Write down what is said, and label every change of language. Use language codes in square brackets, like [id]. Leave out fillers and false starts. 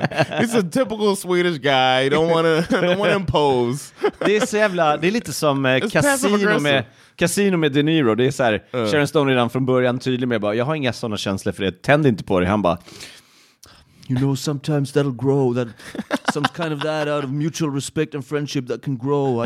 [en] He's a typical Swedish guy. Don't wanna impose. [sv] Det är så jävla, det är lite som Casino med De Niro. Det är så här, Sharon Stone redan från början tydlig med bara, jag har inga såna känslor för det. Tänd inte på det. Han bara, [en] you know, sometimes that'll grow, that some kind of that out of mutual respect and friendship that can grow.